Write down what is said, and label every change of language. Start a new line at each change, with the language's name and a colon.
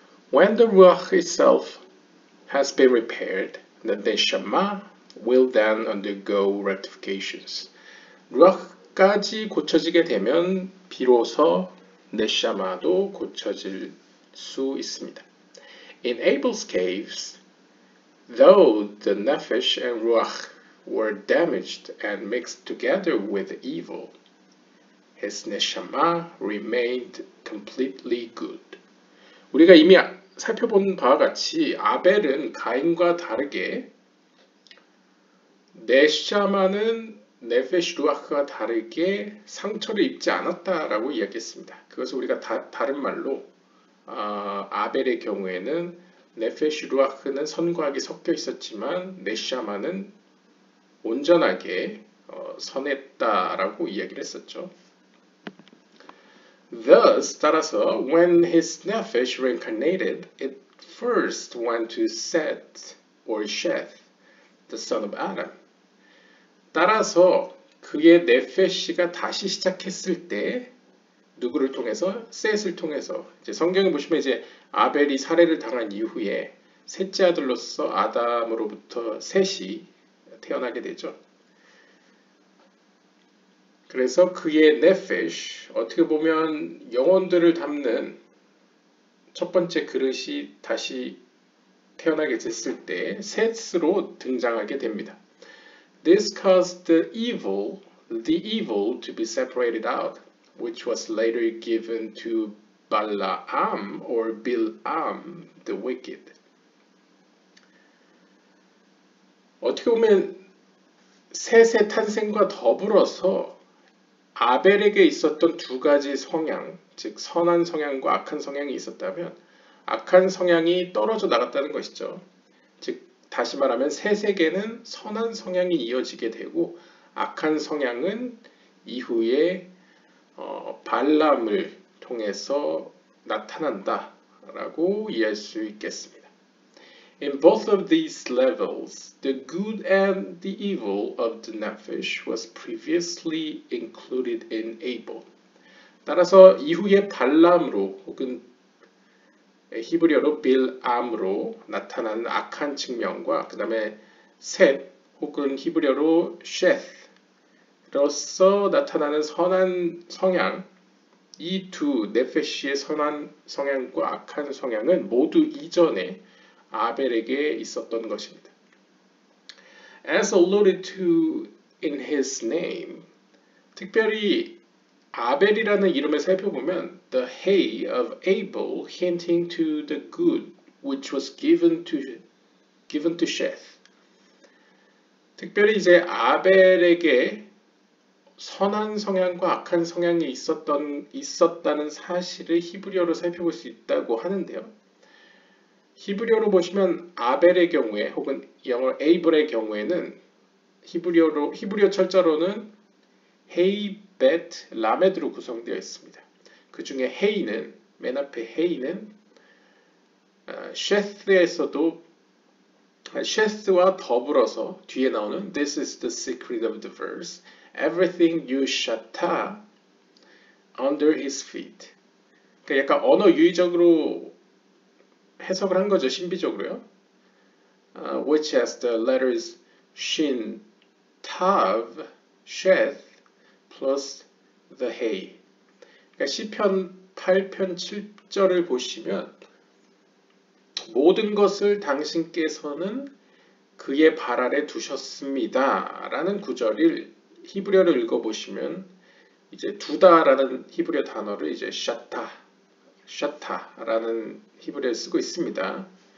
English: When the ruach itself has been repaired, the neshama will then undergo rectifications.
Korean: 까지 고쳐지게 되면 비로소 네샤마도 고쳐질 수 있습니다.
English: In Abel's case, though the nefesh and ruach were damaged and mixed together with evil, his neshama remained completely good.
Korean: 우리가 이미 살펴본 바와 같이 아벨은 가인과 다르게 네샤마는 네페쉬 루아흐와 다르게 상처를 입지 않았다라고 이야기했습니다. 그것을 우리가 다른 말로 아벨의 경우에는 네페쉬 루아흐는 선과 악이 섞여 있었지만 네시아마는 온전하게 선했다라고 이야기를 했었죠.
English: Thus,
Korean: 따라서
English: when his nefesh reincarnated, it first went to Seth or Sheth, the son of Adam.
Korean: 따라서 그의 네페시가 다시 시작했을 때 누구를 통해서? 셋을 통해서. 이제 성경에 보시면 이제 아벨이 살해를 당한 이후에 셋째 아들로서 아담으로부터 셋이 태어나게 되죠. 그래서 그의 네페시, 어떻게 보면 영혼들을 담는 첫 번째 그릇이 다시 태어나게 됐을 때 셋으로 등장하게 됩니다.
English: This caused the evil to be separated out, which was later given to Balaam or Bilam, the wicked.
Korean: 어떻게 보면 셋의 탄생과 더불어서 아벨에게 있었던 두 가지 성향, 즉 선한 성향과 악한 성향이 있었다면 악한 성향이 떨어져 나갔다는 것이죠. 즉 다시 말하면 셋에게는 선한 성향이 이어지게 되고 악한 성향은 이후에 발람을 통해서 나타난다라고 이해할 수 있겠습니다.
English: In both of these levels, the good and the evil of the nefesh was previously included in Abel.
Korean: 따라서 이후에 발람으로 혹은 히브리어로 빌암으로 나타난 악한 측면과 그다음에 셋 혹은 히브리어로 쉐스 로서 나타나는 선한 성향, 이두 네페시의 선한 성향과 악한 성향은 모두 이전에 아벨에게 있었던 것입니다.
English: As alluded to in his name,
Korean: 특별히 아벨이라는 이름을 살펴보면
English: the hay of Abel hinting to the good which was given to Sheth.
Korean: 특별히 이제 아벨에게 선한 성향과 악한 성향이 있었다는 사실을 히브리어로 살펴볼 수 있다고 하는데요. 히브리어로 보시면 아벨의 경우에 혹은 영어 에이블의 경우에는 히브리어 철자로는 헤이, 벳, 라멧으로 구성되어 있습니다. 그 중에 헤이는 맨 앞에 헤이는 쉐스에서도 쉐스와 더불어서 뒤에 나오는
English: This is the secret of the verse. Everything you shatter under his feet.
Korean: 그러니까 약간 언어유희적으로 해석을 한 거죠, 신비적으로요.
English: Which has the letters shin, tav, sheth, plus the hay.
Korean: 그러니까 시편 8편 7절을 보시면 모든 것을 당신께서는 그의 발 아래 두셨습니다라는 구절을 히브리어를 읽어보시면 이제 두다라는 히브리어 단어를 이제 샤타라는 히브리어를 쓰고 있습니다.